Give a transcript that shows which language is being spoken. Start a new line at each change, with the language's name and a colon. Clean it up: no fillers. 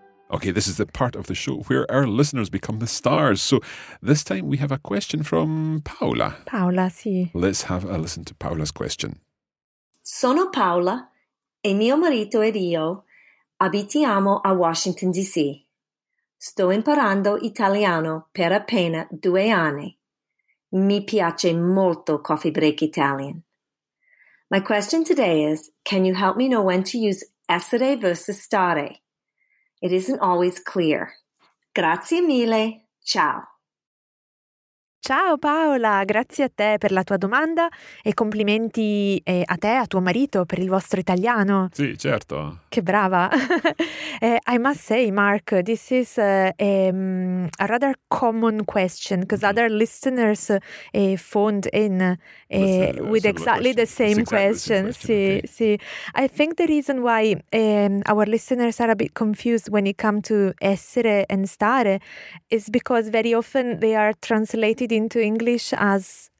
English: Okay, this is the part of the show where our listeners become the stars. So this time we have a question from Paola.
Italian: Paola, sì.
English: Let's have a listen to Paola's question.
Italian: Sono Paola e mio marito ed io abitiamo a Washington DC. Sto imparando italiano per appena 2 anni. Mi piace molto Coffee Break Italian.
English: My question today is, can you help me know when to use essere versus stare? It isn't always clear.
Italian: Grazie mille. Ciao. Ciao Paola, grazie a te per la tua domanda e complimenti a te, a tuo marito, per il vostro italiano. Sì, certo. Che brava.
English: I must say, Mark, this is a rather common question because other listeners phoned in with exactly question. The same question.
Italian: Sì,
English: okay.
Italian: Sì.
English: I think the reason why our listeners are a bit confused when it comes to essere and stare is because very often they are translated into English as